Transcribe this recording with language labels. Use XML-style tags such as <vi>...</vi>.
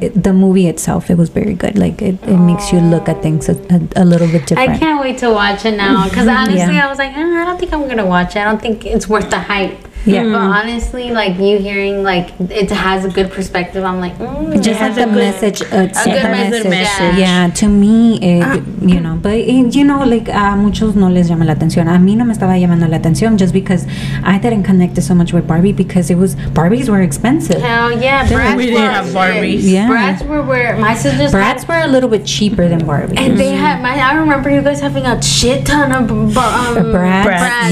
<en>but the movie itself, it was very good. It makes you look at things a little bit different. I can't wait to watch it now, because honestly yeah. I was I don't think I'm gonna watch it. I don't think it's worth the hype. Yeah, but honestly, you hearing it has a good perspective. I'm just like a good message. Yeah, to me,</en> <es>a muchos no les llama la atención. A mí no me estaba llamando la atención</es> <en>just because I didn't connect so much with Barbie because Barbies were expensive. Hell yeah, Bratz, we didn't have Barbies. Yeah, Bratz were where my sisters. Bratz were a little bit cheaper than Barbies, and they had. I remember you guys having a shit ton of Bratz.</en>